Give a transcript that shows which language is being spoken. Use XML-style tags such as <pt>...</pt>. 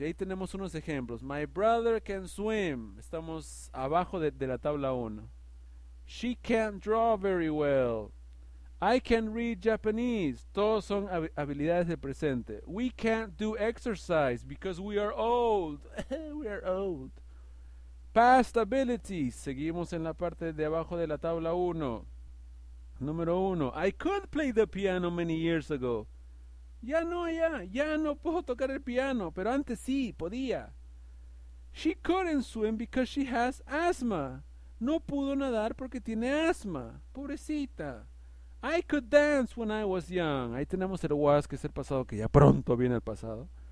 <es>Y ahí tenemos unos ejemplos.</es> <en>My brother can swim.</en> <es>Estamos abajo de la tabla 1.</es> <en>She can't draw very well. I can read Japanese.</en> <es>Todos son habilidades del presente.</es> <en>We can't do exercise because we are old. We are old. Past abilities.</en> <es>Seguimos en la parte de abajo de la tabla 1. Número 1.</es> <en>I could play the piano many years ago.</en> <es>Ya no puedo tocar el piano, pero antes sí, podía.</es> <en>She couldn't swim because she has asthma.</en> <es>No pudo nadar porque tiene asma. Pobrecita.</es> <en>I could dance when I was young.</en> <es>Ahí tenemos el was, que es el pasado, que ya pronto viene el pasado.</es>